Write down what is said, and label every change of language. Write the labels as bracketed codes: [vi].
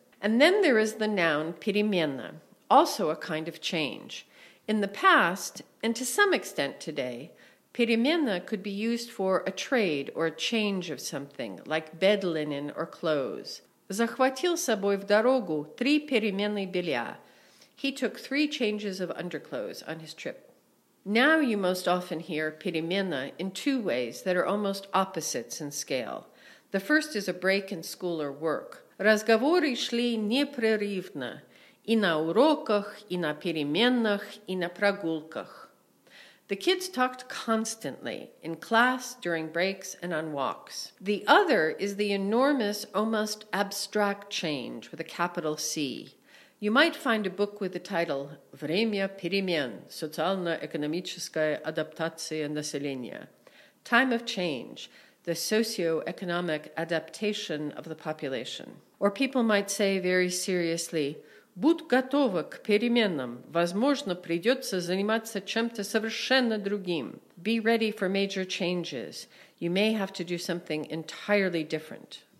[en] And then there is the noun перемена, also a kind of change. In the past, and to some extent today, перемена could be used for a trade or a change of something, like bed linen or clothes. [ru] Захватил с собой в дорогу три перемены белья. [en] He took three changes of underclothes on his trip. Now you most often hear перемена in two ways that are almost opposites in scale. The first is a break in school or work. [ru] Разговоры шли непрерывно, и на уроках, и на переменах, и на прогулках. [en] The kids talked constantly, in class, during breaks, and on walks. The other is the enormous, almost abstract change, with a capital C. You might find a book with the title [ru] «Время перемен. Социально-экономическая адаптация населения». [en] Time of change, the socioeconomic adaptation of the population. Or people might say very seriously, [ru] «Будь готова к переменам. Возможно, придется заниматься чем-то совершенно другим». [en] Be ready for major changes. You may have to do something entirely different.